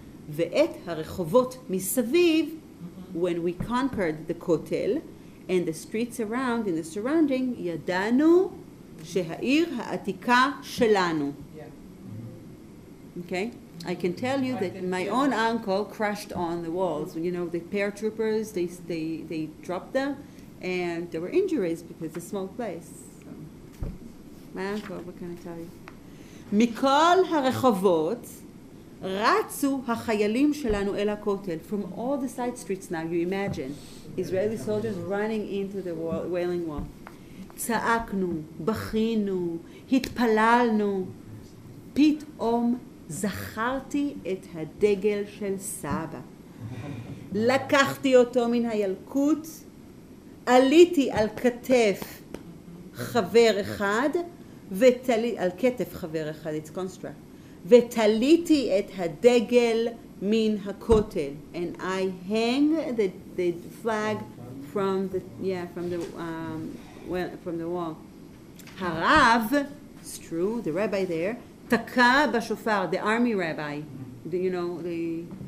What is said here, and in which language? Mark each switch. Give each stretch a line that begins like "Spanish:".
Hebrew: ואת הרחובות מסביב,
English: when we conquered the Kotel and the streets around in the surrounding,
Hebrew: ידענו שהעיר העתיקה שלנו.
English: Okay? I can tell you that my own uncle crashed on the walls. You know, the paratroopers, they dropped them, and there were injuries because of a small place. My uncle, what can I tell you?
Hebrew: מכל הרחובות רצו החיילים שלנו אל הכותל.
English: From all the side streets now, you imagine, Israeli soldiers running into the Wailing Wall.
Hebrew: צעקנו, בכינו, התפללנו. פתאום זכרתי את הדגל של סבא. לקחתי אותו מן הילקוט, עליתי על כתף חבר אחד, על כתף חבר אחד,
English: it's construct,
Hebrew: ותליתי את הדגל מן הכותל.
English: And I hang the flag from the, yeah, from the, well, from the wall. הרב, it's true, the rabbi there,
Hebrew: תקע בשופר,
English: the army rabbi, the, you know, the...